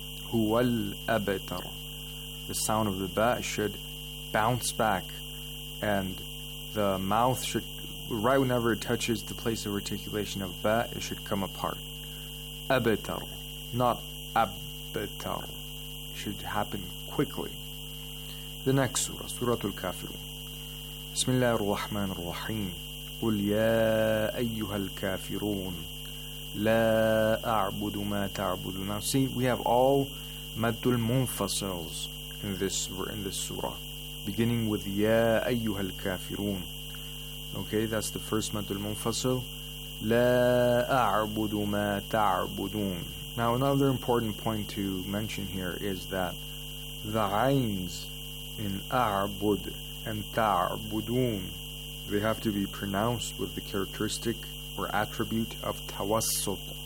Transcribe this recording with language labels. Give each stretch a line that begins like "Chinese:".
Arabic: Huwal abatar.
English: The sound of the ba should bounce back, and the mouth should, right whenever it touches the place of articulation of ba, it should come apart. Abatar, not abatar. It should happen quickly. The next surah, Suratul Kafirun.
Arabic: بسم الله الرحمن الرحيم قل يا أيها الكافرون لا أعبد ما تعبدون.
English: Now see, we have all مد المنفصلز in this surah, beginning with
Arabic: يا أيها الكافرون.
English: Okay, that's the first مد المنفصل.
Arabic: لا أعبد ما تعبدون.
English: Now another important point to mention here is that the عينز in أعبد and ta'budun, they have to be pronounced with the characteristic or attribute of tawassut.